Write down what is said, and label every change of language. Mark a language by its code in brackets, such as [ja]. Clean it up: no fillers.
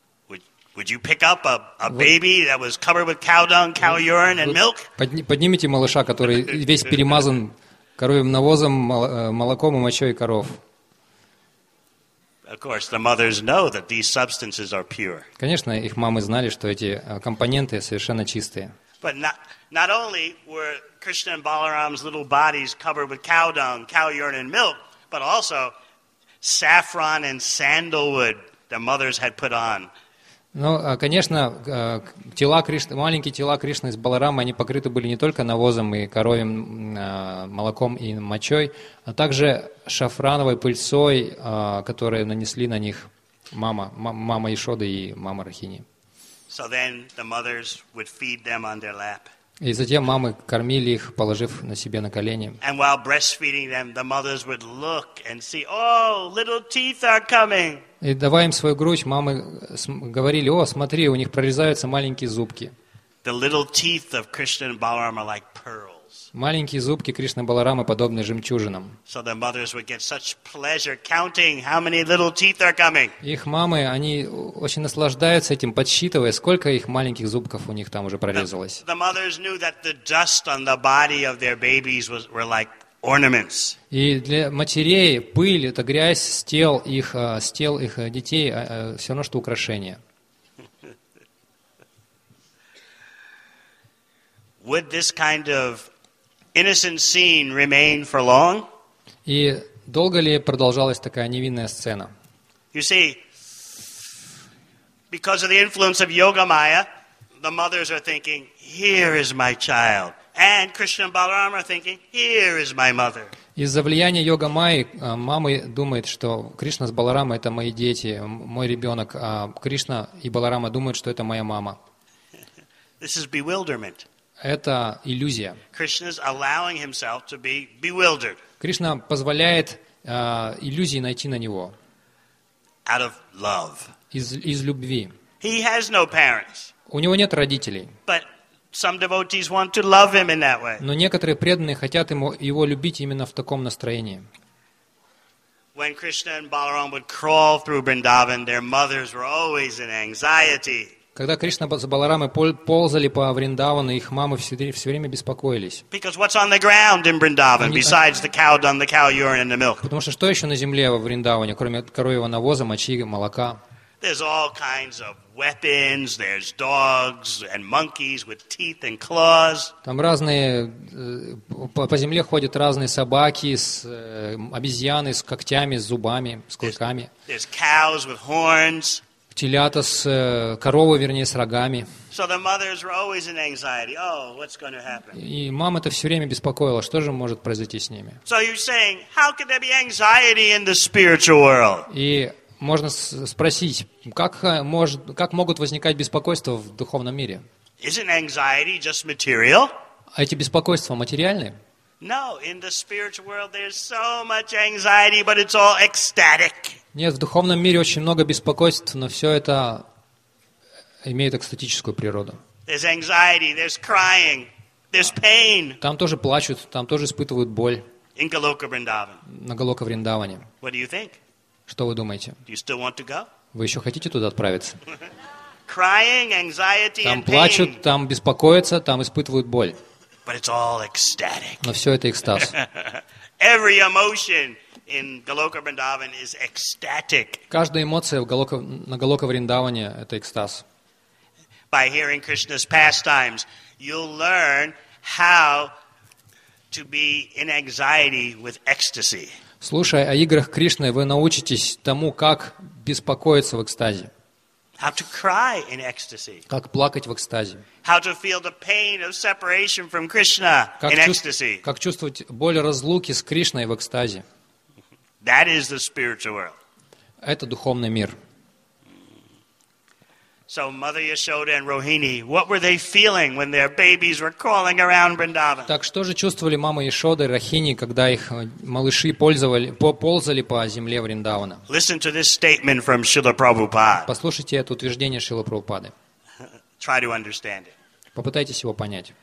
[en] Would you pick up a baby that was covered with cow dung, cow urine, and milk? [ru] Поднимите малыша, который весь перемазан коровьим навозом, молоком и мочой коров. [en] Of course, the mothers know that these substances are pure. [ru] Конечно, их мамы знали, что эти компоненты совершенно чистые. [en] But not only were Krishna and Balaram's little bodies covered with cow dung, cow urine, and milk, but also saffron and sandalwood the mothers had put on. [ru] Ну, конечно, тела Кришны, маленькие тела Кришны с Баларамой, они покрыты были не только навозом и коровьим молоком и мочой, а также шафрановой пыльцой, которую нанесли на них мама Яшоды и мама Рохини. [en] So then the mothers would feed them on their lap. [ru] И затем мамы кормили их, положив на себе на колени. [en] And while breastfeeding them, the mothers would look and see, oh, little teeth are coming. [ru] И давая им свою грудь, мамы говорили, о, смотри, у них прорезаются маленькие зубки. [en] The little teeth of Krishna and Balaram are like pearls. [ru] Маленькие зубки Кришны и Баларамы подобны жемчужинам. [en] So the mothers would get such pleasure counting how many little teeth are coming. [ru] Их мамы, они очень наслаждаются этим, подсчитывая, сколько их маленьких зубков у них там уже прорезалось. [en] The mothers knew that the dust on the body of their babies were like ornaments. [ru] И для матерей пыль, это грязь с тел их детей, все равно что украшение. [en] Would this kind of innocent scene remain for long? [ru] И долго ли продолжалась такая невинная сцена? [en] You see, because of the influence of Yoga Maya, the mothers are thinking, here is my child. And Krishna and Balaram are thinking, here is my mother. [ru] Из-за влияния йога майи мамы думают, что Кришна с Баларамой это мои дети, мой ребенок, а Кришна и Баларама думают, что это моя мама. [en] This is bewilderment. [ru] Это иллюзия. [en] Krishna is allowing himself to be bewildered. [ru] Кришна позволяет иллюзии найти на него. [en] Out of love. [ru] Из любви. [en] He has no parents. [ru] У него нет родителей. [en] But some devotees want to love him in that way. [ru] Но некоторые преданные хотят его любить именно в таком настроении. [en] When Krishna and Balaram would crawl through Vrindavan, their mothers were always in anxiety. [ru] Когда Кришна с Баларамой ползали по Вриндавану, их мамы все время беспокоились. [en] Because what's on the ground in Vrindavan besides the cow dung, the cow urine, and the milk? [ru] Потому что еще на земле во Вриндаване, кроме коровьего навоза, мочи, молока? [en] There's all kinds of weapons, there's dogs and monkeys with teeth and claws. [ru] Там разные по земле ходят разные собаки с обезьяны с когтями, с зубами, с клыками. [en] There's cows with horns. [ru] Телята с коровы, вернее, с рогами. [en] So the mothers were always in anxiety. Oh, what's going to happen? [ru] И мама это все время беспокоила, что же может произойти с ними? [en] So you're saying, how could there be anxiety in the spiritual world? [ru] И можно спросить, как могут возникать беспокойства в духовном мире? [en] Isn't anxiety just material? [ru] Эти беспокойства материальны? [en] No, in the spiritual world there's so much anxiety, but it's all ecstatic. [ru] Нет, в духовном мире очень много беспокойств, но все это имеют экстатическую природу. [en] There's anxiety, there's crying, there's pain. [ru] Там тоже плачут, там тоже испытывают боль. [en] In Goloka Vrindavan. [ru] На Голока Вриндаване. [en] What do you think? [ru] Что вы думаете? [en] Do you still want to go? [ru] Вы еще хотите туда отправиться? [en] Crying, anxiety, [ru] там плачут, там беспокоятся, там испытывают боль. [en] But it's all ecstatic. [ru] Но все это экстаз. [en] Every emotion in Goloka Vrindavan is ecstatic. [ru] Каждая эмоция на Голока Вриндаване – это экстаз. [en] By hearing Krishna's pastimes, you'll learn how to be in anxiety with ecstasy. [ru] Слушая о играх Кришны, вы научитесь тому, как беспокоиться в экстазе. [en] How to cry in ecstasy. [ru] Как плакать в экстазе. [en] How to feel the pain of separation from Krishna in ecstasy. [ru] Как чувствовать боль разлуки с Кришной в экстазе. [en] That is the spiritual world. [ru] Это духовный мир. [en] So Mother Yashoda and Rohini, what were they feeling when their babies were crawling around Vrindavan? [ru] Так что же чувствовали мама Яшода и Рахини, когда их малыши ползали по земле Вриндавана? [en] Listen to this statement from Śrīla Prabhupāda. [ru] Послушайте это утверждение Шрилы Прабхупады. [en] Try to understand it. [ru] Попытайтесь его понять.